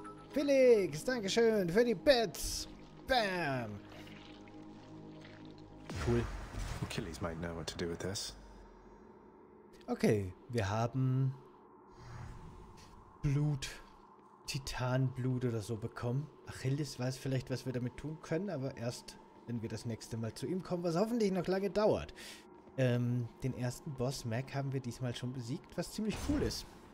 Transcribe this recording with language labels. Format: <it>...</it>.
<de>Felix, danke schön für die Bits. Bam. Cool.</de> <en>Achilles might know what to do with this.</en> <de>Okay, wir haben Blut, Titanblut oder so bekommen. Achilles weiß vielleicht, was wir damit tun können, aber erst wenn wir das nächste Mal zu ihm kommen, was hoffentlich noch lange dauert. Den ersten Boss, Mac, haben wir diesmal schon besiegt, was ziemlich cool ist.</de>